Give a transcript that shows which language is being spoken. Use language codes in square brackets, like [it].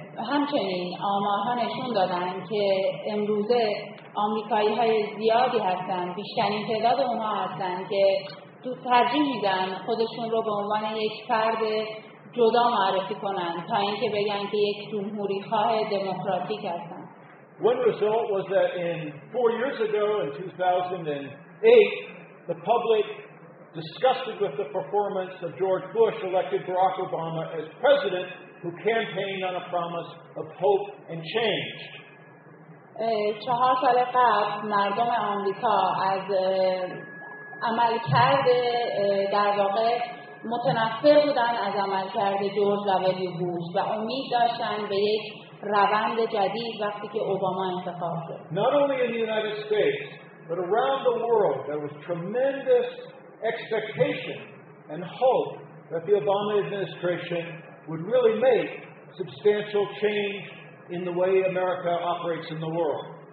[fa] همچنین آمارها نشون دادن که امروزه آمریکایی های زیادی هستن، بیشترین تعداد اونها هستن که ترجیح میدن خودشون رو به عنوان یک فرد جدا معرفی کنن تا اینکه بگن که یک جمهوری خواه دموکراتیک هستن. [en] One result was that in 4 years ago in 2008 the public disgusted with the performance of George Bush elected Barack Obama as president who campaigned on a promise of hope and change. [fa] 4 سال قبل مردم آمریکا از عملکرد در واقع متنفر بودن از عملکرد جورج دبلیو بوش و امید داشتن به یک روند جدید وقتی که اوباما انتخاب شد. [en] Not only in the United States, but around the world there was tremendous expectation and hope that the Obama administration would really make substantial change in the way America operates in the world.